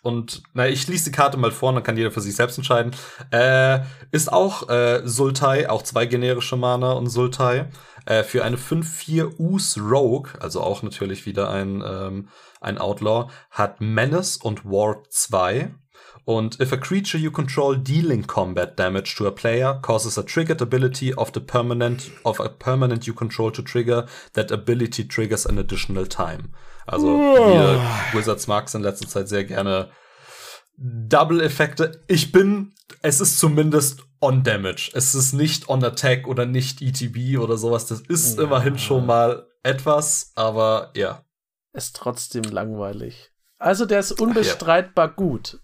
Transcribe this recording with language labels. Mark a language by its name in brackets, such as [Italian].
[German] Und naja, ich lese die Karte mal vor, dann kann jeder für sich selbst entscheiden. Ist auch Sultai, auch zwei generische Mana und Sultai. Für eine 5-4 Ooze Rogue, also auch natürlich wieder ein Outlaw, hat Menace und Ward 2. Und [English] if a creature you control dealing combat damage to a player causes a triggered ability of a permanent you control to trigger, that ability triggers an additional time. [German] Also hier, Wizards mag es in letzter Zeit sehr gerne Double-Effekte. Es ist zumindest on damage. Es ist nicht on attack oder nicht ETB oder sowas. Das ist immerhin schon mal etwas, aber ja. Ist trotzdem langweilig. Also der ist unbestreitbar gut.